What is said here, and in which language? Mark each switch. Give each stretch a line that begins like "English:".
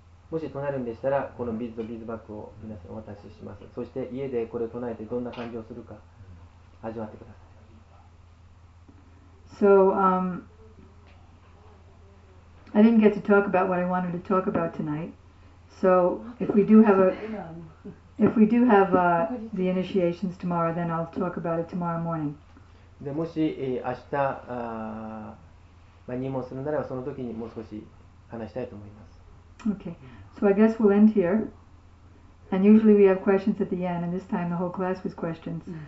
Japanese: もし唱えるんでしたら、このビーズとビーズバッグを皆さんお渡しします。そして家でこれを唱えてどんな感じをするか。
English: So, I didn't get to talk about what I wanted to talk about tonight. So, if we do have the initiations tomorrow, then I'll talk about it tomorrow morning.
Japanese: で、もし明日、入門するなら、その時にもう少し話したいと思います。
English: Okay. So, I guess we'll end here. And usually we have questions at the end, and this time the whole class was questions.